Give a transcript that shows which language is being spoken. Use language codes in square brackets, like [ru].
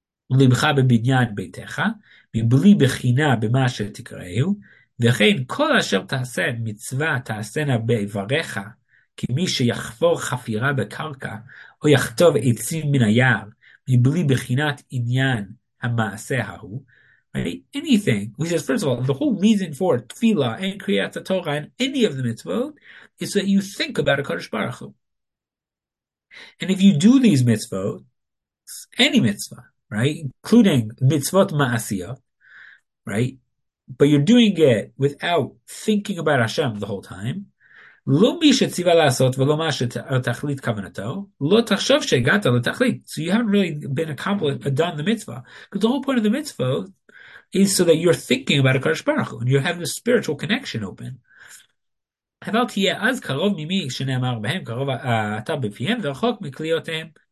[he] ולבך בבניין ביתך, מבלי בחינה במה שתקראו, וכן כל אשר תעשה מצווה תעשינה בעבריך, כמי שיחפור חפירה בקרקע, או יכתוב עצים מן היער, מבלי בחינת עניין המעשה ההוא, right? [en] Anything, which is, first of all, the whole reason for tefillah and kriyat haTorah and any of the mitzvot, is that you think about a Kadosh Baruch Hu. And if you do these mitzvot, any mitzvah, right, including mitzvot ma'asiyot, right, but you're doing it without thinking about Hashem the whole time, [he] לא מי שציווה לעשות ולא מה שתכלית כוונתו, לא תחשוב שהגעת לתכלית. [en] So you haven't really been accomplished, done the mitzvah. Because the whole point of the mitzvah is so that you're thinking about a Kadosh Baruch Hu, and you have the spiritual connection open. [he] אבל תהיה אז קרוב ממי שנאמר בהם, קרוב אתה בפיהם ורחוק מכליותיהם.